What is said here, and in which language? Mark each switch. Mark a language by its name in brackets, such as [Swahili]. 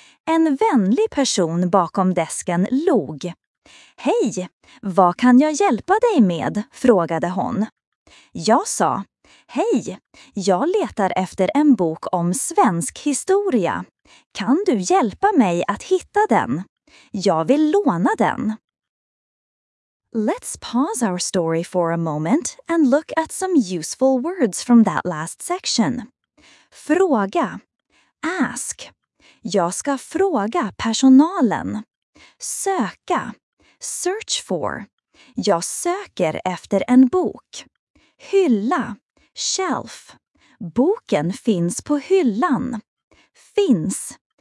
[Swedish] En vänlig person bakom desken log. "Hej, vad kan jag hjälpa dig med?" frågade hon. Jag sa, "Hej, jag letar efter en bok om svensk historia. Kan du hjälpa mig att hitta den? Jag vill låna den." [English] Let's pause our story for a moment and look at some useful words from that last section. [Swedish] Fråga. [English] Ask. [Swedish] Jag ska fråga personalen. Söka. [English] Search for. [Swedish] Jag söker efter en bok. Hylla. [English] Shelf. [Swedish] Boken finns på hyllan. Finns.